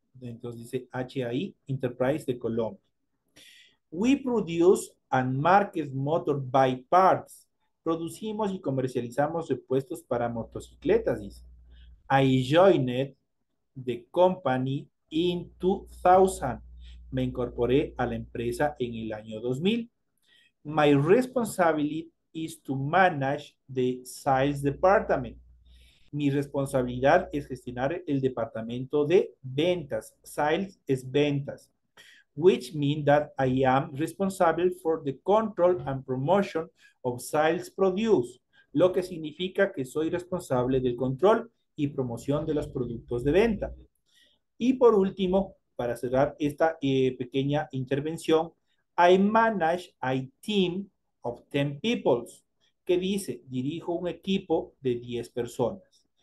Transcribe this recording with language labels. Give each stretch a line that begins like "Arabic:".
Spanish: Entonces dice
English: HI, Enterprise de Colombia. We produce and market motor by parts.
Spanish: Producimos y comercializamos repuestos para motocicletas, dice.
English: I joined the company in 2000.
Spanish: Me incorporé a la empresa en el año 2000.
English: My responsibility is to manage the sales department.
Spanish: Mi responsabilidad es gestionar el departamento de ventas. Sales es ventas.
English: Which means that I am responsible for the control and promotion of sales produce.
Spanish: Lo que significa que soy responsable del control y promoción de los productos de venta. Y por último, para cerrar esta pequeña intervención,
English: I manage a team of 10 people.
Spanish: ¿Qué dice? Dirijo un equipo de 10 personas.